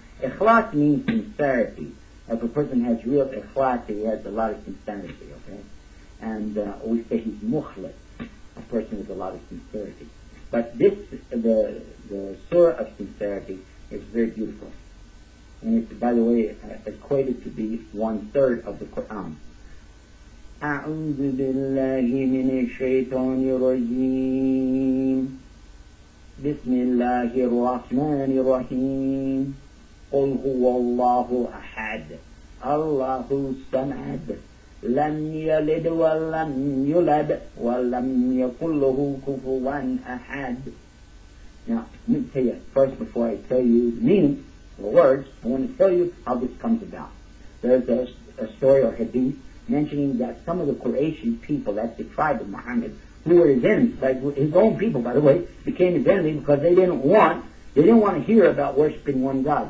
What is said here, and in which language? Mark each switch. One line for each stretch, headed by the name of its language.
English: Ikhlas means sincerity. If a person has real ikhlas, he has a lot of sincerity, okay? And we say he's mukhlas, a person with a lot of sincerity. But this, the Surah of Sincerity, is very beautiful. And it's, by the way, equated to be one-third of the Quran.
Arabic: أعوذ بالله من الشيطان الرجيم بسم الله الرحمن الرحيم قل هو الله أحد الله الصمد لم يلد ولم يولد ولم يكن له كفوا أحد.
English: Now, let me tell you, first before I tell you the meaning, the words, I want to tell you how this comes about. There's a story or hadith mentioning that some of the Quraysh people, that's the tribe of Muhammad, who were his enemies, like his own people, by the way, became his enemy because they didn't want to hear about worshiping one God.